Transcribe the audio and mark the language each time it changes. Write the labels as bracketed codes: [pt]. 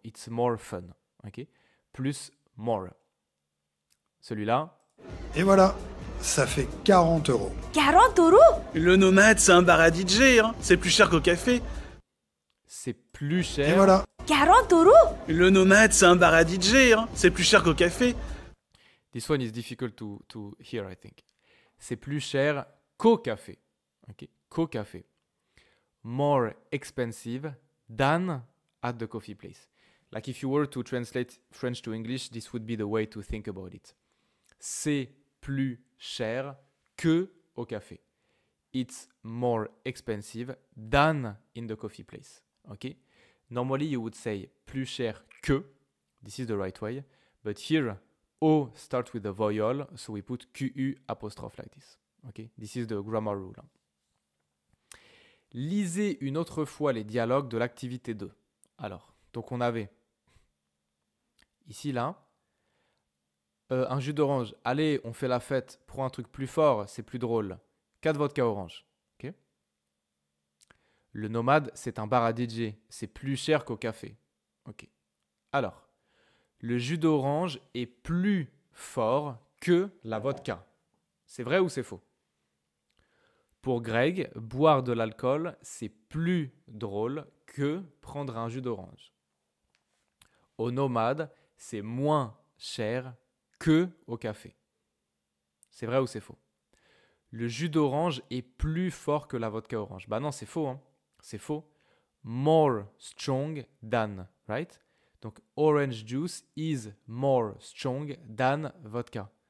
[en] It's more fun, ok? Plus more. Celui-là. [fr] Et voilà, ça fait 40 euros. 40 euros? Le Nomade, c'est un bar à DJ, hein? C'est plus cher qu'au café. C'est plus cher. Et voilà. 40 euros? Le Nomade, c'est un bar à DJ, hein? C'est plus cher qu'au café. [en] This one is difficult to hear, I think. [fr] C'est plus cher qu'au café. [en] Ok, qu'au café. More expensive than at the coffee place. Like if you were to translate French to English, this would be the way to think about it. [fr] C'est plus cher que au café. [en] It's more expensive than in the coffee place. Ok. Normally, you would say plus cher que. This is the right way. But here, O starts with a voyelle, so we put QU apostrophe like this. Okay, this is the grammar rule. [fr] Lisez une autre fois les dialogues de l'activité 2. Alors, donc on avait ici là, un jus d'orange. Allez, on fait la fête, prends un truc plus fort, c'est plus drôle. 4 vodka orange. Okay. Le Nomade, c'est un bar à DJ, c'est plus cher qu'au café. Ok. Alors, le jus d'orange est plus fort que la vodka. C'est vrai ou c'est faux? Pour Greg, boire de l'alcool, c'est plus drôle que prendre un jus d'orange. Au Nomade, c'est moins cher que au café. C'est vrai ou c'est faux? Le jus d'orange est plus fort que la vodka orange. Bah non, c'est faux, hein. C'est faux. [en] More strong than, right? Donc, orange juice is more strong than vodka.